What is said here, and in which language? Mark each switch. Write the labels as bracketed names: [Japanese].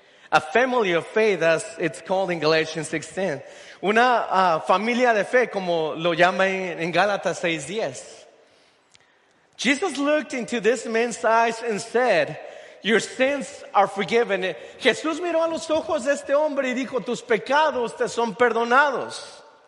[English] A family of faith, as it's called in Galatians 6:10. [Spanish] Una familia de fe, como lo llama en Gálatas 6:10. [English] Jesus looked into this man's eyes and said, your sins are forgiven. [Spanish] Jesús miró a los ojos de este hombre y dijo, tus pecados te son perdonados.